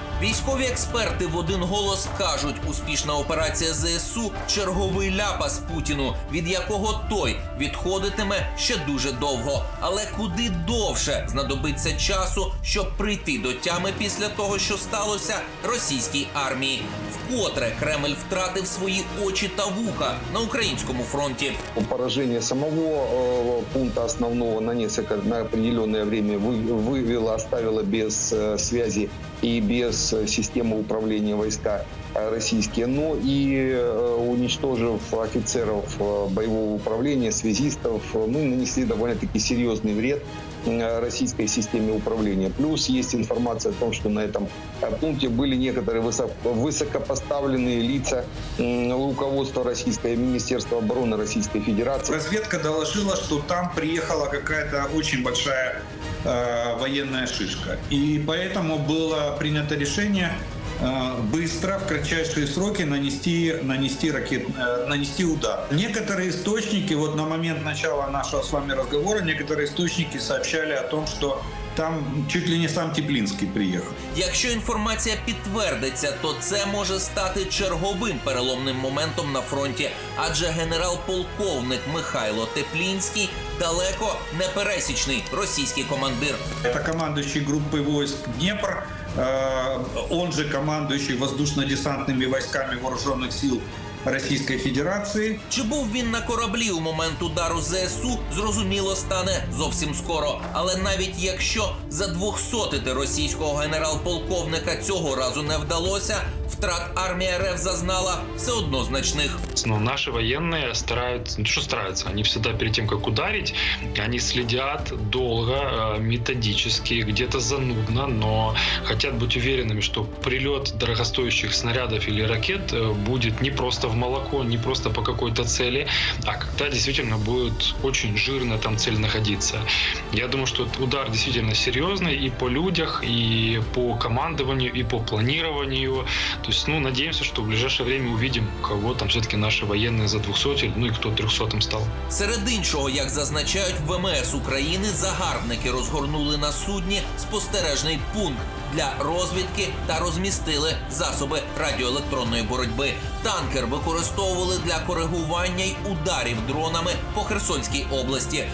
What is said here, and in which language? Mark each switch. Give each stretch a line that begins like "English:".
Ukrainian: Військові експерти в один голос кажуть, успішна операція ЗСУ – черговий ляпас Путіну, від якого той відходитиме ще дуже довго. Але куди довше знадобиться часу, щоб прийти до тями після того, що сталося російській армії. Вкотре Кремль втратив свої очі та вуха на українському фронті.
Russian: Пораження самого пункту основного на нього на определене час вивело, оставило без зв'язку и без системы управления войска российские, но и уничтожив офицеров боевого управления, связистов, мы нанесли довольно-таки серьезный вред российской системе управления. Плюс есть информация о том, что на этом пункте были некоторые высокопоставленные лица руководства российского Министерства обороны Российской Федерации. Разведка доложила, что там приехала какая-то очень большая военная шишка. И поэтому было принято решение быстро, в кратчайшие сроки нанести удар. Некоторые источники, вот на момент начала нашего с вами разговора, некоторые источники сообщали о том, что там чуть ли не сам Теплинский приехал.
Ukrainian: Якщо інформація підтвердиться, то це може стати черговим переломним моментом на фронті. Адже генерал-полковник Михайло Теплінський далеко не пересічний російський командир.
Russian: Это командующий группой войск Днепр, он же командующий воздушно-десантными войсками вооруженных сил Российской Федерации.
Ukrainian: Чи був він на кораблі у момент удару ЗСУ, зрозуміло стане зовсім скоро. Але навіть якщо за 200-ти російського генерал-полковника цього разу не вдалося, втрат армія РФ зазнала все одно значних. Ну, наші воєнні стараються, ну, що стараються, вони завжди перед тим, як ударити, вони слідять довго, методично, где-то занудно, но хочуть бути впевненими, що прильот дорогостоящих снарядів або ракет буде не просто в молоко, не просто по какой-то цели, а когда действительно будет очень жирно там цель находиться.
Russian: Я думаю, что удар действительно серьезный и по людях, и по командованию, и по планированию. То есть, ну, надеемся, что в ближайшее время увидим, кого там все-таки наши военные за 200, ну и кто 300-м стал.
Ukrainian: Серед іншого, як зазначають ВМС України, загарбники розгорнули на судні спостережний пункт для розвідки та розмістили засоби радіоелектронної боротьби. Танкер використовували для коригування й ударів дронами по Херсонській області.